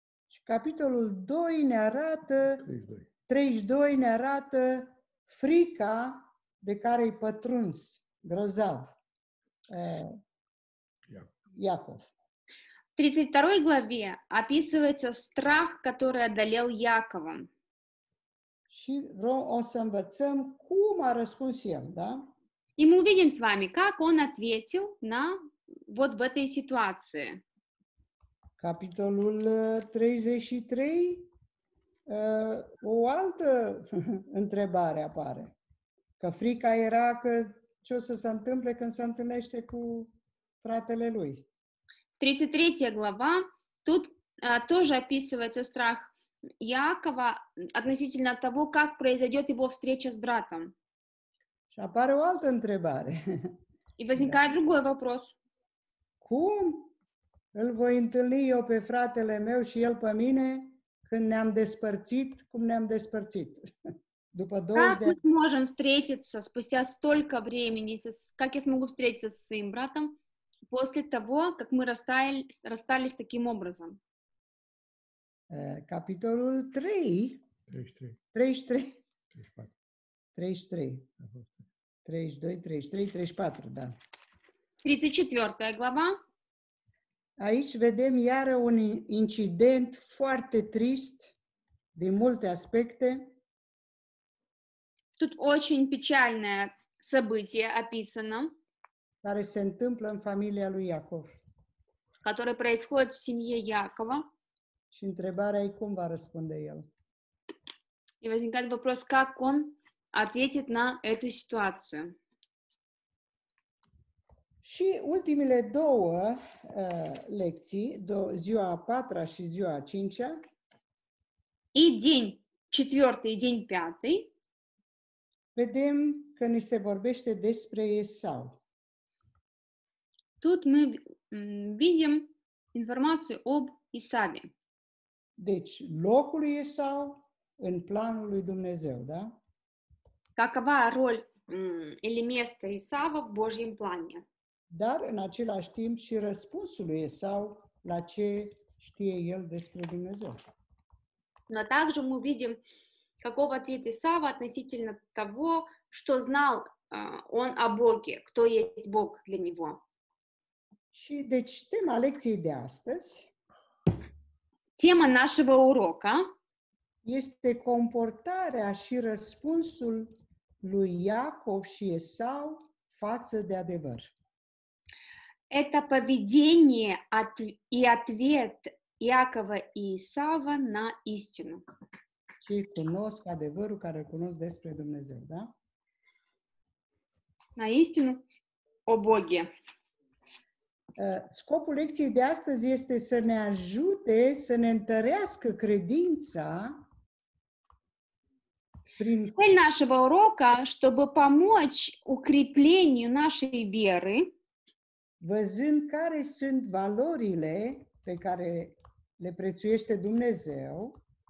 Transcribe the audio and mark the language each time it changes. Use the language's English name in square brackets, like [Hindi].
[Romanian] Și capitolul 2 ne arată, 32 ne arată frica de care-i pătruns, grozav. [Russian] Яков. В 32 главе описывается страх, который одолел Якова. [Romanian] Și o să învățăm cum a răspuns el, da? [Russian] И мы увидим с вами, как он ответил на вот в этой ситуации. [Romanian] Capitolul 33 o altă întrebare apare. Că frica era că ce o să se întâmple când se întâlnește cu fratele lui. [Russian] 33 глава, тут тоже описывается страх Якова относительно того, как произойдет его встреча с братом. [Romanian] Și apare o altă întrebare. [Russian] И возникает другой вопрос. [Romanian] Cum îl voi întâlni eu pe fratele meu și el pe mine când ne-am despărțit, cum ne-am despărțit? După 20 de ani. [Russian] Как мы сможем встретиться спустя столько времени, как я смогу встретиться со своим братом? После того, как мы расстались таким образом. [Romanian] Капитолул 34 [Russian] глава. [Romanian] Aici vedem iară un incident foarte trist din multe aspecte. [Russian] Тут очень печальное событие описано. [Romanian] Care se întâmplă în familia lui Iacov. [Russian] Который происходит в семье Якова. [Romanian] Și întrebarea e cum va răspunde el. [Russian] И возникает вопрос, как он ответит на эту ситуацию. [Romanian] Și ultimele două lecții, ziua a patra și ziua a cincea. [Russian] И день четвертый, день пятый. [Romanian] Vedem că ni se vorbește despre Esau. [Russian] Тут мы видим информацию об Исаве. [Romanian] Deci, locul lui Esau în planul lui Dumnezeu, da? [Russian] Какова роль или место Исава в Божьем плане? [Romanian] Dar în același timp și răspunsul lui Esau la ce știe el despre Dumnezeu. [Russian] Но также мы видим, каков ответ Исава относительно того, что знал он о Боге, кто есть Бог для него. [Romanian] Și deci tema lecției de astăzi. [Russian] Tema nașeva uroka [Romanian] este comportarea și răspunsul lui Iacov și Esau față de adevăr. [Russian] Это поведение и ответ Иакова и Исава на истину. [Romanian] Cei cunosc adevărul care cunosc despre Dumnezeu, da? [Russian] На истину о Боге. [Romanian] Scopul lecției de astăzi este să ne ajute, să ne întărească credința. [Russian] Цель нашего урока, чтобы помочь укреплению нашей веры. [Romanian] Văzând care sunt valorile pe care le prețuiește Dumnezeu.